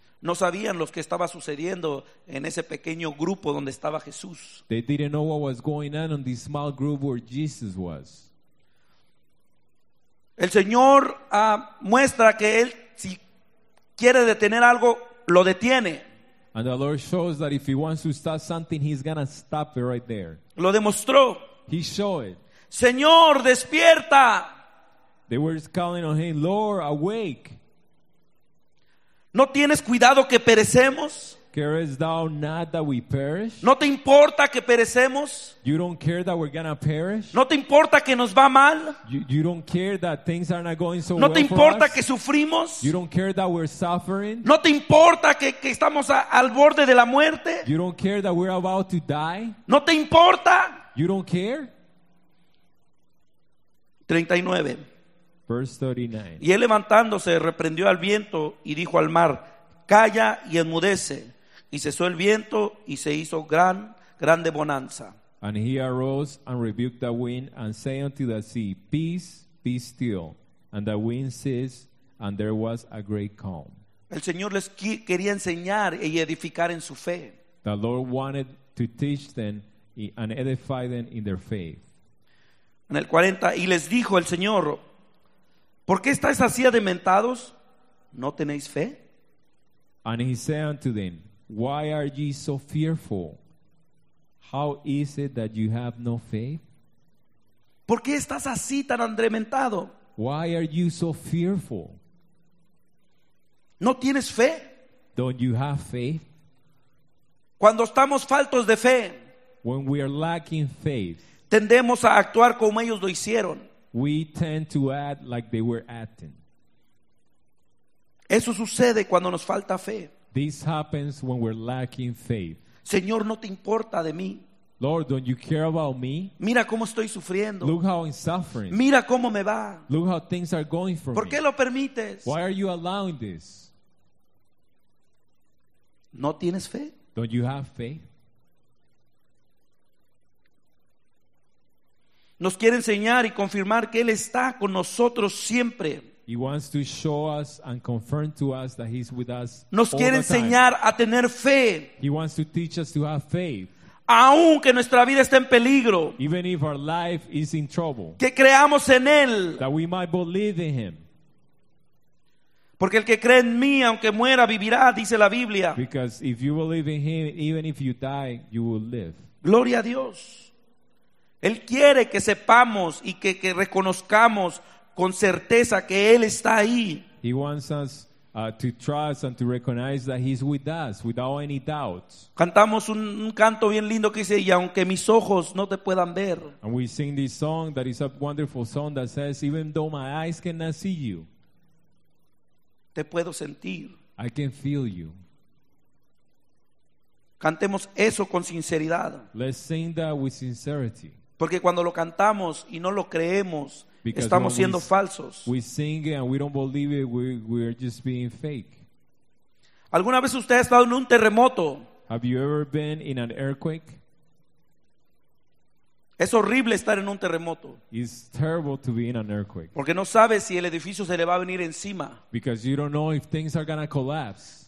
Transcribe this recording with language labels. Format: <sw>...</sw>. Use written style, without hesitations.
<es>No sabían lo que estaba sucediendo en ese pequeño grupo donde estaba Jesús.</es> <en>They didn't know what was going on this small group where Jesus was.</en> <es>El Señor muestra que él si quiere detener algo lo detiene.</es> <en>And the Lord shows that if he wants to stop something, he's gonna stop it right there.</en> <es>Lo demostró.</es> <en>He showed it.</en> <es>Señor, despierta.</es> <en>They were calling on him, Lord, awake.</en> <es>¿No tienes cuidado que perecemos?</es> <en>Carest thou not that we perish?</en> <es>¿No te importa que perecemos?</es> <en>You don't care that we're gonna perish?</en> <es>¿No te importa que nos va mal?</es> <en>You don't care that things are not going so</en> <es>¿No</es> <en>well</en> <es>te importa</es> <en>for</en> <es>que sufrimos?</es> <en>You don't care that we're suffering?</en> <es>¿No te importa que estamos al borde de la muerte?</es> <en>You don't care that we're about to die?</en> <es>¿No te importa?</es> <en>You don't care?</en> <es>39.</es> <en>Verse 39.</en> <es>Y él levantándose reprendió al viento y dijo al mar, calla y enmudece. Y cesó el viento y se hizo grande bonanza.</es> <en>And he arose and rebuked the wind and said unto the sea, peace, be still. And the wind ceased and there was a great calm.</en> <es>El Señor les quería enseñar y edificar en su fe.</es> <en>The Lord wanted to teach them and edify them in their faith.</en> <es>En el 40, y les dijo el Señor, ¿por qué estáis así adementados? ¿No tenéis fe?</es> <en>And he said unto them, why are ye so fearful? How is it that you have no faith?</en> <es>¿Por qué estás así tan adementado?</es> <en>Why are you so fearful?</en> <es>¿No tienes fe?</es> <en>Don't you have faith?</en> <es>Cuando estamos faltos de fe,</es> <en>when we are lacking faith,</en> <es>tendemos a actuar como ellos lo hicieron.</es> <en>We tend to act like they were acting.</en> <es>Eso sucede cuando nos falta fe.</es> <en>This happens when we're lacking faith.</en> <es>Señor, no te importa de mí.</es> <en>Lord, don't you care about me?</en> <es>Mira cómo estoy sufriendo.</es> <en>Look how I'm suffering.</en> <es>Mira cómo me va.</es> <en>Look how things are going for me.</en> <es>¿Por qué lo permites?</es> <en>Why are you allowing this?</en> <es>¿No tienes fe?</es> <en>Don't you have faith?</en> <es>Nos quiere enseñar y confirmar que Él está con nosotros siempre.</es> <en>He wants to show us and confirm to us that He's with us.</en> <es>Nos quiere enseñar a tener fe.</es> <en>He wants to teach us to have faith.</en> <es>Aunque nuestra vida esté en peligro.</es> <en>Even if our life is in trouble.</en> <es>Que creamos en Él.</es> <en>That we might believe in Him.</en> <es>Porque el que cree en mí, aunque muera, vivirá, dice la Biblia.</es> <en>Because if you believe in Him, even if you die, you will live.</en> <es>Gloria a Dios. Él quiere que sepamos y que reconozcamos con certeza que Él está ahí.</es> <en>He wants us to trust and to recognize that He's with us without any doubts.</en> <es>Cantamos un canto bien lindo que dice, y aunque mis ojos no te puedan ver.</es> <en>And we sing this song that is a wonderful song that says, even though my eyes cannot see you,</en> <es>te puedo sentir.</es> <en>I can feel you.</en> <es>Cantemos eso con sinceridad.</es> <en>Let's sing that with sincerity.</en> <es>Porque cuando lo cantamos y no lo creemos,</es> <en>because</en> <es>estamos siendo falsos.</es> <en>We sing it and we don't believe it, we are just being fake.</en> <es>¿Alguna vez usted ha estado en un terremoto?</es> <en>Have you ever been in an earthquake?</en> <es>Es horrible estar en un terremoto.</es> <en>It's terrible to be in an earthquake.</en> <es>Porque no sabe si el edificio se le va a venir encima.</es> <en>Because you don't know if things are gonna collapse.</en>